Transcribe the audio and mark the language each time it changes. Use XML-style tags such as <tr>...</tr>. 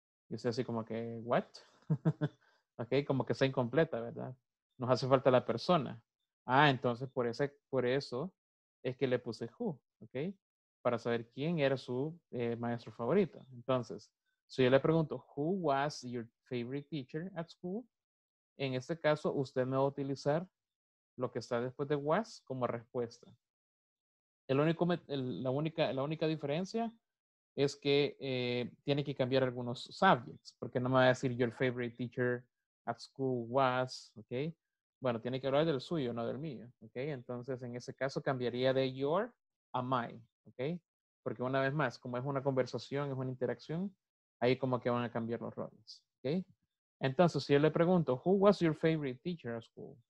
<es>Y usted así como que, what? ¿Okay? Como que está incompleta, ¿verdad? Nos hace falta la persona. Ah, entonces por eso es que le puse who, ¿ok? Para saber quién era su maestro favorito. Entonces, si yo le pregunto,</es> <en>who was your favorite teacher at school?</en> <es>En este caso, usted me va a utilizar lo que está después de was como respuesta. La única diferencia es que tiene que cambiar algunos subjects, porque no me va a decir</es> <en>your favorite teacher at school was,</en> <es>¿ok? Bueno, tiene que hablar del suyo, no del mío, ¿ok? Entonces, en ese caso, cambiaría de your a my, ¿ok? Porque una vez más, como es una conversación, es una interacción, ahí como que van a cambiar los roles, ¿ok? Entonces, si yo le pregunto,</es> <en>who was your favorite teacher at school?</en>